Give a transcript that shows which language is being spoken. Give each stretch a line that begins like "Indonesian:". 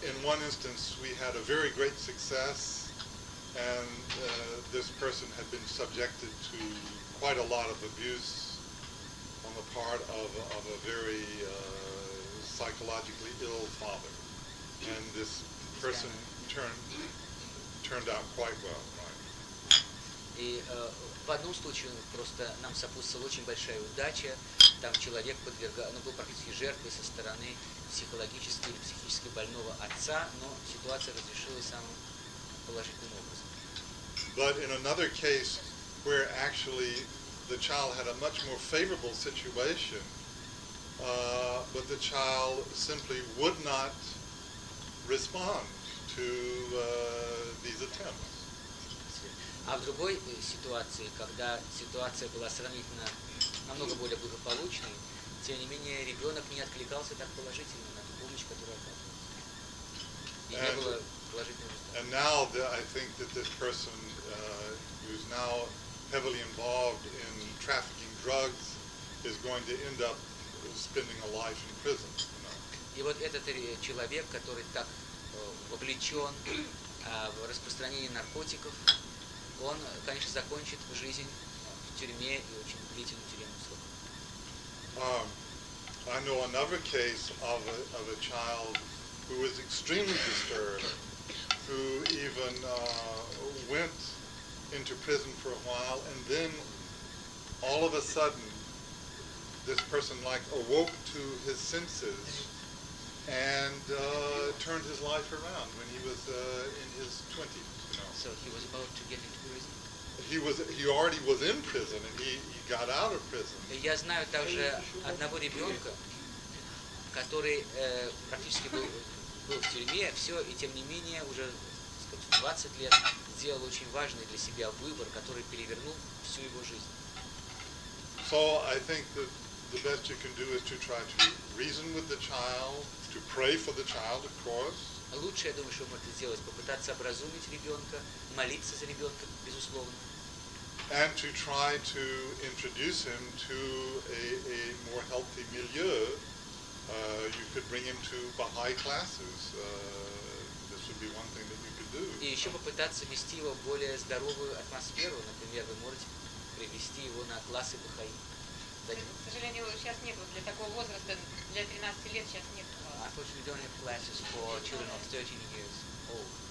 English: In one instance, we had a very great success, and this person had been subjected to quite a lot of abuse on the part of a very psychologically ill father, and this person turned out quite well.
Russian: И в одном случае просто нам сопутствовала очень большая удача. Там человек был практически жертвой со стороны психологически или психически больного отца, но ситуация разрешилась самым положительным образом.
English: But in another case, where actually the child had a much more favorable situation, but the child simply would not respond to these attempts.
Russian: А в другой ситуации, когда ситуация была сравнительно намного более благополучной, тем не менее ребенок не откликался так положительно на ту помощь, которая оказывалась. И не было положительного результата.
English: And now I think that this person who's now heavily involved in trafficking drugs is going to end up spending a life in prison.
Russian: И вот этот человек, который так вовлечен в распространение наркотиков, он, конечно, закончит жизнь в тюрьме и очень длительную тюремную службу.
English: I know another case of a child who was extremely disturbed, who even went into prison for a while, and then all of a sudden this person like awoke to his senses and turned his life around when he was in his 20s. So he was about to get into prison. He already was in prison, and he got out of prison.
Russian: Я знаю также одного ребенка, который практически был в тюрьме, все, и тем не менее уже, так сказать, 20 лет сделал очень важный для себя выбор, который перевернул всю его жизнь.
English: So I think that the best you can do is to try to reason with the child, to pray for the child, of course.
Russian: Лучше, я думаю, что можно сделать, попытаться образумить ребенка, молиться за ребенка, безусловно.
English: And to try to introduce him to a more healthy milieu. You could bring him to Baha'i classes. This would be one thing that you could do.
Russian: И еще попытаться ввести его в более здоровую атмосферу. Например, вы можете привести его на классы Баха'и. К сожалению, сейчас нету для такого возраста, для 13 лет сейчас нету.
English: Unfortunately, we don't have classes for children of 13 years old.